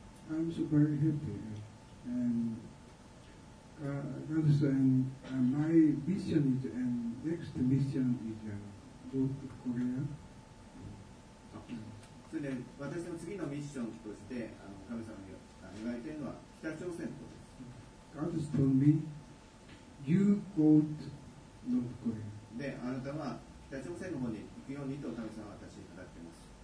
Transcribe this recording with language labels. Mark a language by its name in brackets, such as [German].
[English] I'm so very happy and God's and my mission is and next mission is go to Korea。 [Japanese] それで私の次のミッションとして神様に言われているのは北朝鮮とです。 [English] God's told me you go to North Korea。 [Japanese] で、あなたは北朝鮮の方に。行くようにと神様は私に語っています。